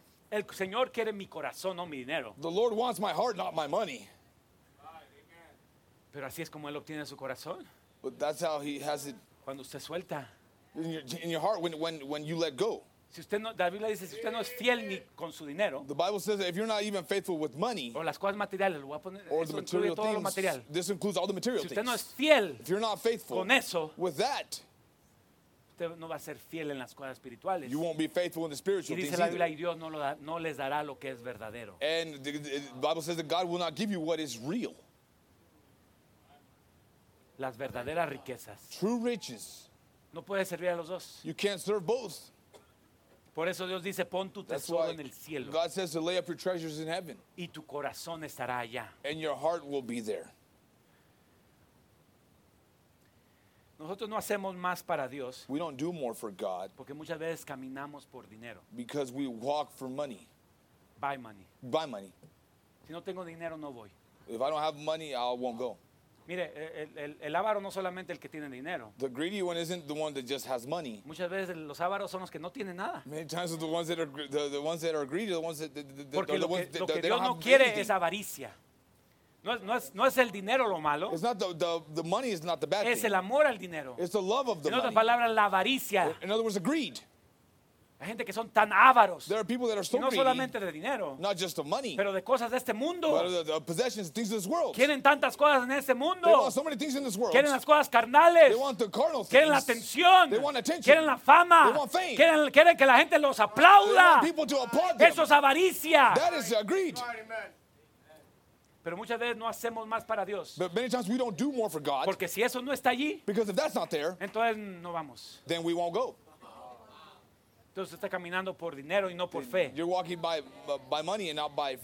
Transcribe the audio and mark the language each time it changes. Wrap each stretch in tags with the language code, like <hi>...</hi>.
<es>El Señor quiere mi corazón, no mi dinero.</es> <en>The Lord wants my heart, not my money.</en> <es>Pero así es como él obtiene su corazón.</es> <en>But that's how he has it.</en> <es>Cuando usted suelta.</es> <en>In your heart, when you let go.</en> <es>Si usted no, la Biblia dice, si usted no es fiel ni con su dinero.</es> <en>The Bible says that if you're not even faithful with money.</en> <es>O las cosas materiales, lo voy a poner.</es> <en>Or the material</en> <es>todo</es> <en>things.</en> <es>Lo material.</es> <en>This includes all the material things.</en> <es>Si usted</es> <en>things.</en> <es>No es fiel.</es> <en>If you're not faithful.</en> <es>Con eso.</es> <en>With that.</en> <es>Usted no va a ser fiel en las cosas espirituales.</es> <en>You won't be faithful in the spiritual things.</en> <es>Y dice la Biblia, y Dios no, lo da, no les dará lo que es verdadero.</es> <en>And the Bible says that God will not give you what is real.</en> <es>Las verdaderas riquezas.</es> <en>True riches.</en> <es>No puedes servir a los dos.</es> <en>You can't serve both.</en> <es>Por eso Dios dice, pon tu tesoro en el cielo.</es> <en>God says to lay up your treasures in heaven.</en> <es>Y tu corazón estará allá.</es> <en>And your heart will be there.</en> <es>Nosotros no hacemos más para Dios.</es> <en>We don't do more for God.</en> <es>Porque muchas veces caminamos por dinero.</es> <en>Because we walk for money. Buy money. Buy money.</en> <es>Si no tengo dinero, no voy.</es> <en>If I don't have money, I won't go.</en> <es>Mire, el avaro no solamente el que tiene dinero.</es> <en>The greedy one isn't the one that just has money.</en> <es>Muchas veces los avaros son los que no tienen nada.</es> <en>Many times the ones that are the ones that are greedy, the ones that</en> <es>porque lo que Dios no quiere es avaricia. No es el dinero lo malo.</es> <en>It's not the money is not the bad thing.</en> <es>Es el amor al dinero.</es> <en>It's the love of the money.</en> <es>En otras palabras, la avaricia.</es> <en>In other words, the greed.</en> <es>Hay gente que son tan avaros.</es> <en>There are people that are so greedy.</en> <es>No solamente de dinero.</es> <en>Not just of money.</en> <es>Pero de cosas de este mundo.</es> <en>But the possessions, things of this world.</en> <es>Quieren tantas cosas en este mundo.</es> <en>They want so many things in this world.</en> <es>Quieren las cosas carnales.</es> <en>They want the carnal things.</en> <es>Quieren la atención.</es> <en>They want attention.</en> <es>Quieren la fama.</es> <en>They want fame.</en> <es>Quieren que la gente los aplauda.</es> <en>They want people to applaud them.</en> <es>Eso es avaricia.</es> <en>That is greed.</en> <es>Pero muchas veces no hacemos más para Dios.</es> <en>But many times we don't do more for God.</en> <es>Porque si eso no está allí.</es> <en>Because if that's not there.</en> <es>Entonces no vamos.</es> <en>Then we won't go.</en> <es>Entonces está caminando por dinero y no por fe.</es> <en>You're walking by money and not by faith.</en>